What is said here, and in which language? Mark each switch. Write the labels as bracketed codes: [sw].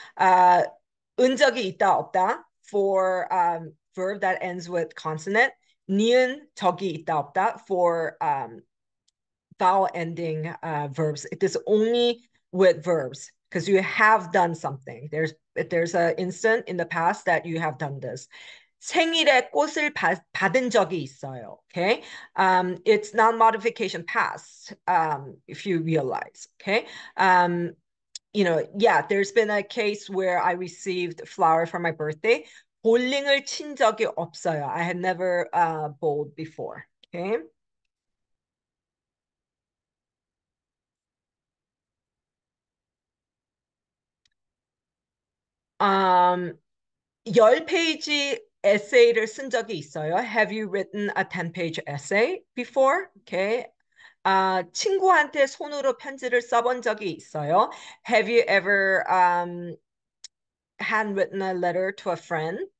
[ko] 은 적이 있다 없다 [en] for verb that ends with consonant. [ko] 니은 적이 있다 없다for [en] vowel ending verbs. It is only with verbs because you have done something. There's an instant in the past that you have done this. [ko] 생일에 꽃을 받은 적이 있어요. [en] Okay. It's non-modification past, if you realize. Okay. You know, yeah, there's been a case where I received flower for my birthday. [ko] 볼링을 친 적이 없어요. [en] I had never bowled before. Okay. Your page. Essay를 [ko] 쓴 적이 있어요? [en] Have you written a 10-page essay before? Okay. [ko] 친구한테 손으로 편지를 써본 적이 있어요? [en] Have you ever handwritten a letter to a friend?